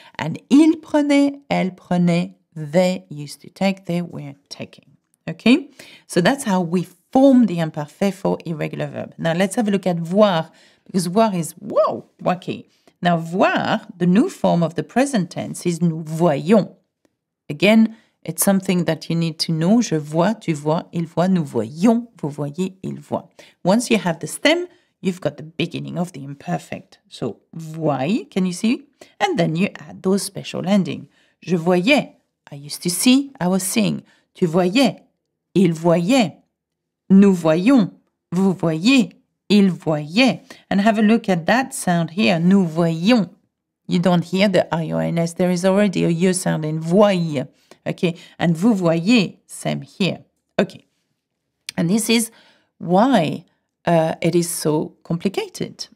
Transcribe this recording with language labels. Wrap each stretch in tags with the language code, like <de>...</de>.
<en>And</en> <fr>il prenait, elle prenait,</fr> <en>they used to take, they were taking. Okay, so that's how we form the imparfait for irregular verb. Now let's have a look at voir, because voir is, wow, wacky. Now voir, the new form of the present tense is</en> <fr>nous voyons.</fr> <en>Again, it's something that you need to know.</en> <fr>Je vois, tu vois, il voit, nous voyons, vous voyez, il voit.</fr> <en>Once you have the stem, you've got the beginning of the imperfect. So voir, can you see? And then you add those special endings.</en> <fr>Je voyais,</fr> <en>I used to see, I was seeing.</en> <fr>Tu voyais. Il voyait, nous voyons, vous voyez, il voyait.</fr> <en>And have a look at that sound here,</en> <fr>nous voyons.</fr> <en>You don't hear the I-O-N-S, there is already a U sound in voyer. Okay, and</en> <fr>vous voyez,</fr> <en>same here. Okay, and this is why it is so complicated.</en>